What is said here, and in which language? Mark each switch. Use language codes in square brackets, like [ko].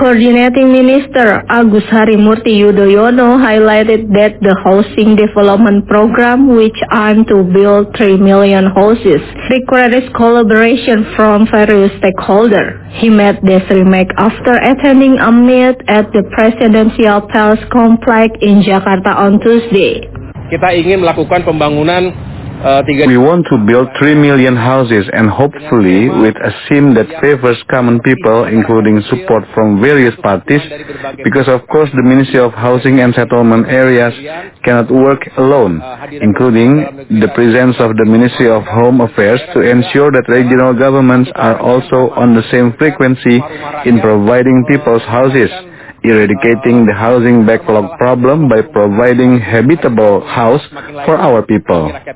[en] Coordinating Minister Agus Harimurti Yudhoyono highlighted that the housing development program, which aimed to build 3 million houses, requires collaboration from various stakeholders. He met this remark after attending a meet at the Presidential Palace Complex in Jakarta on Tuesday. [id] Kita ingin melakukan pembangunan [en] We want to build 3 million houses and hopefully with a scheme that favors common people, including support from various parties, because of course the Ministry of Housing and Settlement Areas cannot work alone, including the presence of the Ministry of Home Affairs to ensure that regional governments are also on the same frequency in providing people's houses, eradicating the housing backlog problem by providing habitable house for our people.